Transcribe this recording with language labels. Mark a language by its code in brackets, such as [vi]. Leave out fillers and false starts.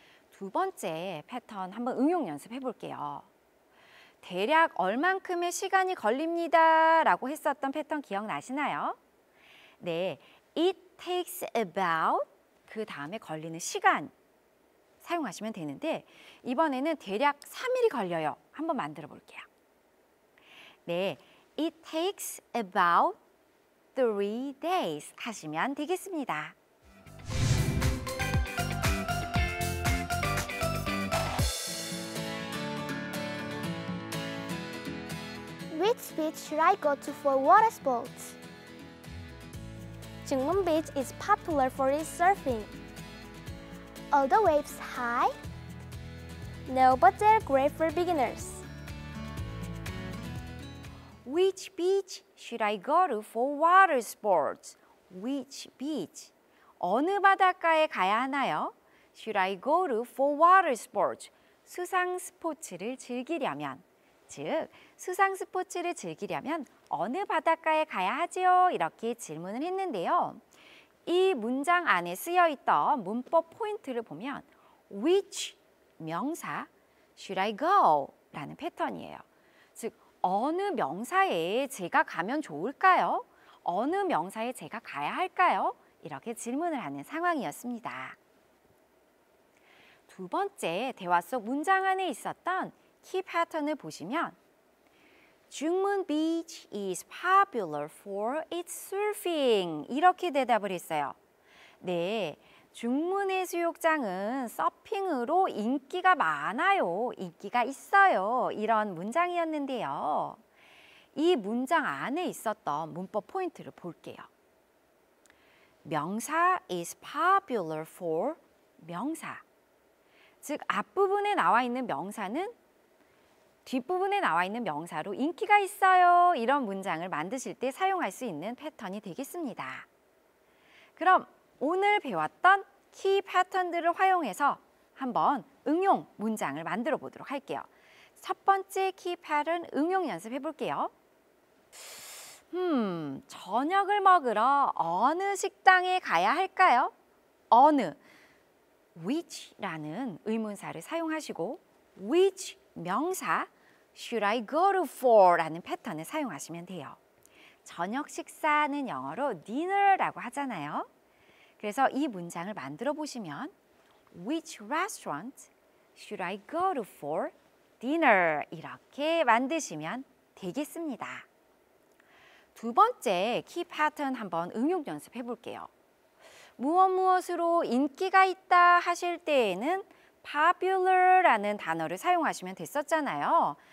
[ko] 두 번째 패턴 한번 응용 연습해 볼게요. 대략 얼만큼의 시간이 걸립니다 라고 했었던 패턴 기억나시나요? 네, [en] It takes about [ko] 그 다음에 걸리는 시간 사용하시면 되는데 이번에는 대략 3일이 걸려요. 한번 만들어 볼게요. [en] 네, It takes about 3 days [ko] 하시면 되겠습니다. [en] 'Which beach should I go to for water sports? 증문 beach is popular for its surfing. Are the waves high? No, but they're great for beginners. Which beach should I go to for water sports? Which beach? [ko] 어느 바닷가에 가야 하나요? [en] Should I go to for water sports? [ko] 수상 스포츠를 즐기려면, 즉 수상 스포츠를 즐기려면 어느 바닷가에 가야 하지요? 이렇게 질문을 했는데요. 이 문장 안에 쓰여 있던 문법 포인트를 보면 which 명사 [en] should I go [ko] 라는 패턴이에요. 즉 어느 명사에 제가 가면 좋을까요? 어느 명사에 제가 가야 할까요? 이렇게 질문을 하는 상황이었습니다. 두 번째 대화 속 문장 안에 있었던 키 패턴을 보시면 [en] Jungmun Beach is popular for its surfing. [ko] 이렇게 대답을 했어요. 네, 중문 해수욕장은 서핑으로 인기가 많아요. 인기가 있어요. 이런 문장이었는데요. 이 문장 안에 있었던 문법 포인트를 볼게요. [en] 명사 is popular for 명사. [ko] 즉, 앞부분에 나와 있는 명사는 뒷부분에 나와 있는 명사로 인기가 있어요. 이런 문장을 만드실 때 사용할 수 있는 패턴이 되겠습니다. 그럼 오늘 배웠던 키 패턴들을 활용해서 한번 응용 문장을 만들어 보도록 할게요. 첫 번째 키 패턴 응용 연습해 볼게요. 저녁을 먹으러 어느 식당에 가야 할까요? 어느, which라는 의문사를 사용하시고 which 명사, [en] should I go to for [ko] 라는 패턴을 사용하시면 돼요. 저녁 식사는 영어로 dinner라고 하잖아요. 그래서 이 문장을 만들어 보시면 [en] which restaurant should I go to for dinner? [ko] 이렇게 만드시면 되겠습니다. 두 번째 키 패턴 한번 응용 연습해 볼게요. 무엇무엇으로 인기가 있다 하실 때에는 popular라는 단어를 사용하시면 됐었잖아요.